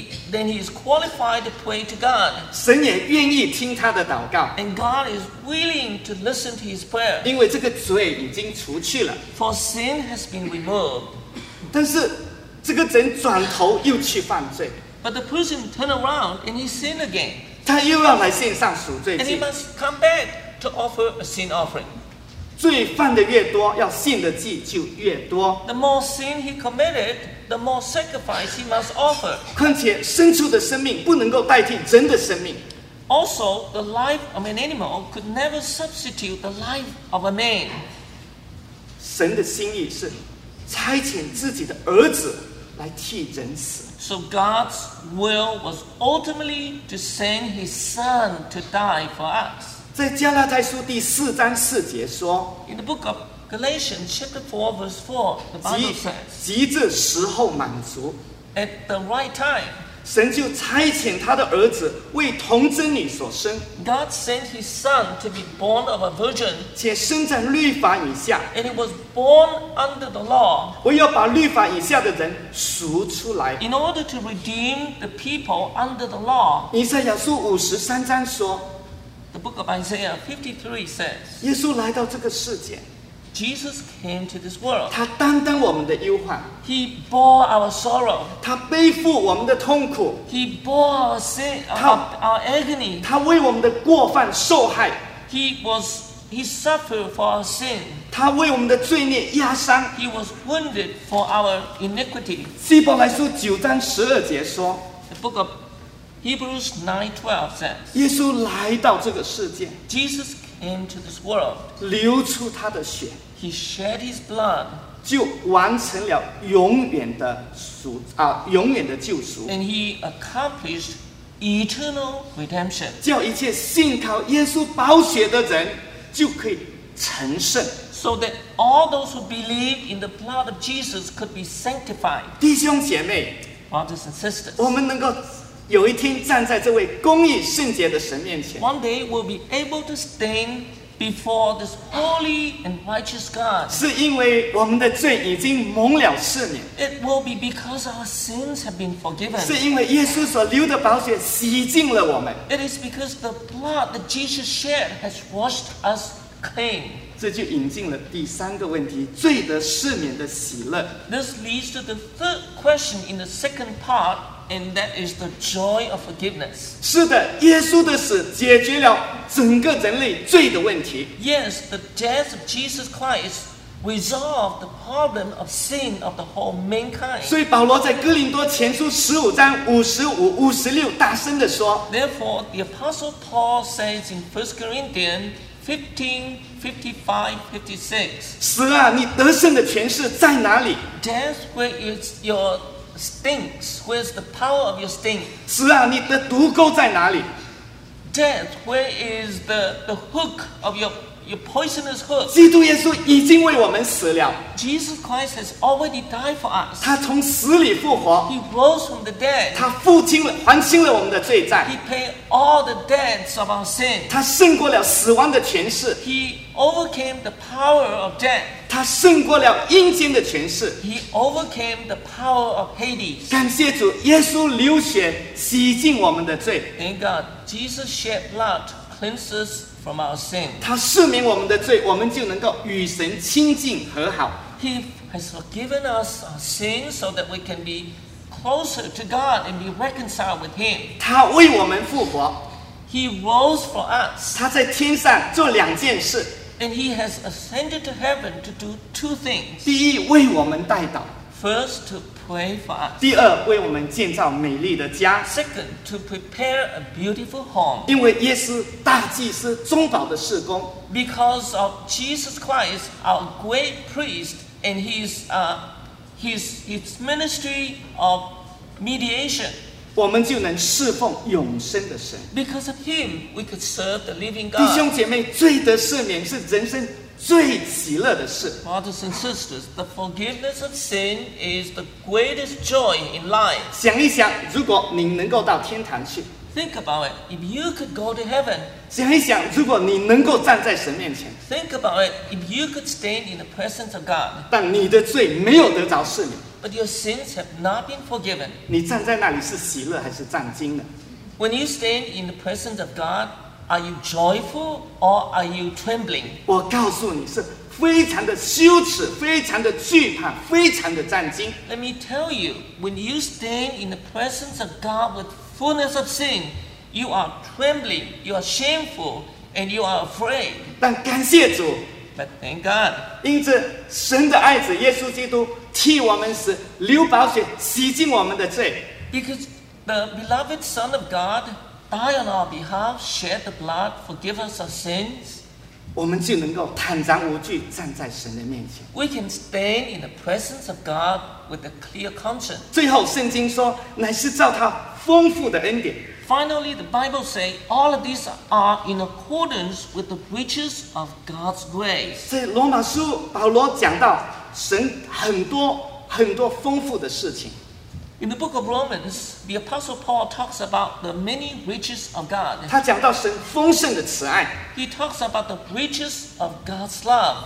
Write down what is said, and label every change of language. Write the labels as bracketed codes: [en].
[en] Then he is qualified to pray to God. [zh] 神也愿意听他的祷告。 [en] And God is willing to listen to his prayer. [zh] 因为这个罪已经除去了。 [en] For sin has been removed. [zh] 但是这个人转头又去犯罪。 [en] But the person turn around and he sin again. [zh] 他又要来献上赎罪祭。 [en] And he must come back to offer a sin offering. [zh] 罪犯的越多，要献的祭就越多。 [en] The more sin he committed, the more sacrifice he must offer. [zh] 况且牲畜的生命不能够代替人的生命。 [en] Also, the life of an animal could never substitute the life of a man. [zh] 神的心意是差遣自己的儿子来替人死。 [en] So God's will was ultimately to send His Son to die for us. [zh] 在加拉太书第四章四节说 [en] ，In the book of Galatians, chapter 4, verse 4, the Bible says, [zh] 急至时候满足 [en] ，At the right time, [zh] 神就差遣他的儿子为童贞女所生。 [en] God sent His Son to be born of a virgin, [zh] 且生在律法以下 [en] ，And He was born under the law. [zh] 为要把律法以下的人赎出来 [en] ，In order to redeem the people under the law. [zh] 以赛亚书五十三章说。 [en] The book of Isaiah 53 says, [zh] 耶稣来到这个世界， [en] Jesus came to this world. [zh] 他担当我们的忧患， [en] He bore our sorrow. [zh] 他背负我们的痛苦， [en] He bore our sin, [zh] 他, [en] our agony. [zh] 他为我们的过犯受害， [en] He suffered for our sin. [zh] 他为我们的罪孽压伤， [en] He was wounded for our iniquity. [zh] 希伯来书九章十二节说， [en] The book ofHebrews 9:12 says, [zh] 耶稣来到这个世界， [en] Jesus came to this world, [zh] 流出他的血， [en] He shed his blood, [zh] 就完成了永远的赎啊，永远的救赎， [en] and he accomplished eternal redemption, [zh] 叫一切信靠耶稣宝血的人就可以成圣。 [en] So that all those who believe in the blood of Jesus could be sanctified. [zh] 弟兄姐妹， [en] brothers and sisters, [zh] 我们能够有一天站在这位公义圣洁的神面前。 [en] One day we'll be able to stand before this holy and righteous God. [zh] 是因为我们的罪已经蒙了赦免。 [en] It will be because our sins have been forgiven. [zh] 是因为耶稣所流的宝血洗净了我们。 [en] It is because the blood that Jesus shed has washed us clean. [zh] 这就引进了第三个问题，罪得赦免的喜乐。 [en] This leads to the third question in the second part. And that is the joy of forgiveness. [zh] 是的，耶稣的死解决了整个人类罪的问题。 [en] Yes, the death of Jesus Christ resolved the problem of sin of the whole mankind. [zh] 所以保罗在哥林多前书十五章五十五、五十六大声地说。 [en] Therefore, the Apostle Paul says in 1 Corinthians 15, 55, 56. [zh] 死啊，你得胜的权势在哪里 [en] ？Death, where is your Stinks. Where's the power of your sting? [zh] 死啊，你的毒钩在哪里 [en] ？Death. Where is the hook of your poisonous hook? [zh] 基督耶稣已经为我们死了。 [en] Jesus Christ has already died for us. [zh] 他从死里复活。 [en] He rose from the dead. [zh] 他付清了，还清了我们的罪债。 [en] He paid all the debts of our sin. [zh] 他胜过了死亡的权势。 [en] He overcame the power of death. [zh] 他胜过了阴间的权势。 [en] He overcame the power of Hades. [zh] 感谢主，耶稣流血洗净我们的罪。 [en] Thank God, Jesus shed blood to cleanse us. From our sin. [zh] 他赦免我们的罪，我们就能够与神亲近和好。 [en] He has forgiven us our sins so that we can be closer to God and be reconciled with Him. [zh] 他为我们复活。 [en] He rose for us. [zh] 他在天上做两件事。 [en] And He has ascended to heaven to do two things. [zh] 第一，为我们代祷。 [en] First, to pray for us. [zh] 第二，为我们建造美丽的家。 [en] Second, to prepare a beautiful home. [zh] 因为耶稣大祭司中保的事工。 [en] Because of Jesus Christ, our great priest, and his ministry of mediation. [zh] 我们就能侍奉永生的神。 [en] Because of him, we could serve the living God. [zh] 弟兄姐妹，罪得赦免是人生最喜乐的事。 [en] Brothers and sisters, the forgiveness of sin is the greatest joy in life. [zh] 想一想，如果你能够到天堂去。 [en] Think about it. If you could go to heaven. [zh] 想一想，如果你能够站在神面前。 [en] Think about it. If you could stand in the presence of God. [zh] 但你的罪没有得着赦免。 [en] But your sins have not been forgiven. [zh] 你站在那里是喜乐还是战惊呢？ [en] When you stand in the presence of God,Are you joyful or are you trembling? [zh] 我告诉你是非常的羞耻，非常的惧怕，非常的战惊。 [en] Let me tell you, when you stand in the presence of God with fullness of sin, you are trembling, you are shameful, and you are afraid. [zh] 但感谢主， [en] But thank God. [zh] 因着神的爱子耶稣基督替我们死，流宝血洗净我们的罪。 [en] Because the beloved Son of God died on our behalf, shed the blood, forgive us our sins. [zh] 我们就能够坦然无惧站在神的面前。 [en] We can stand in the presence of God with a clear conscience. [zh] 最后，圣经说，乃是照他丰富的恩典。 [en] Finally, the Bible says all of these are in accordance with the riches of God's grace. [zh] 在罗马书，保罗讲到神很多很多丰富的事情。 [en] In the book of Romans, the Apostle Paul talks about the many riches of God. [zh] 他讲到神丰盛的慈爱。 [en] He talks about the riches of God's love.